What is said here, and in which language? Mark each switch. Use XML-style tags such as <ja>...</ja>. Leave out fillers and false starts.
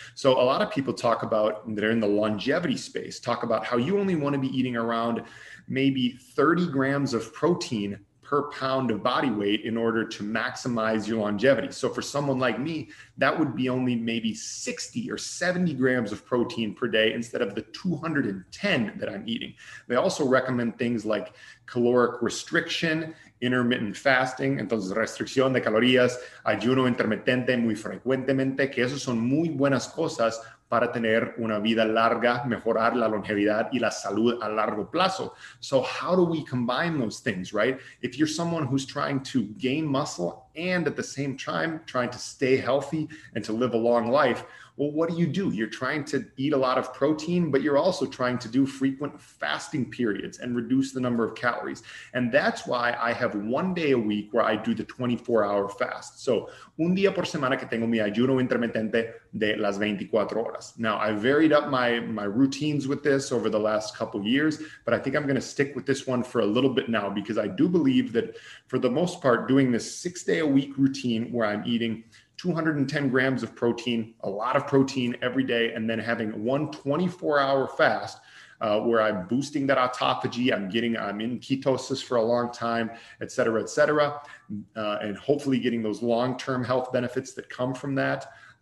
<en>So a lot of people talk about, they're in the longevity space, talk about how you only want to be eating around maybe 30 grams of protein per pound of body weight in order to maximize your longevity. So for someone like me, that would be only maybe 60 or 70 grams of protein per day instead of the 210 that I'm eating. They also recommend things like caloric restriction, intermittent fasting,</en> <es>entonces restricción de calorías, ayuno intermitente muy frecuentemente, que esos son muy buenas cosas para tener una vida larga, mejorar la longevidad y la salud a largo plazo.</es> <en>So how do we combine those things, right? If you're someone who's trying to gain muscle and at the same time trying to stay healthy and to live a long life, Well, what do? You're trying to eat a lot of protein, but you're also trying to do frequent fasting periods and reduce the number of calories. And that's why I have one day a week where I do the 24-hour fast.</en> <es>So un día por semana que tengo mi ayuno intermitente de las 24 horas.</es> <en>Now, I varied up my routines with this over the last couple of years, but I think I'm going to stick with this one for a little bit now, because I do believe that for the most part, doing this 6 day a week routine where I'm eating 210 grams of protein, a lot of protein every day, and then having one 24-hour fast where I'm boosting that autophagy, I'm in ketosis for a long time, et cetera, and hopefully getting those long-term health benefits that come from that.</en>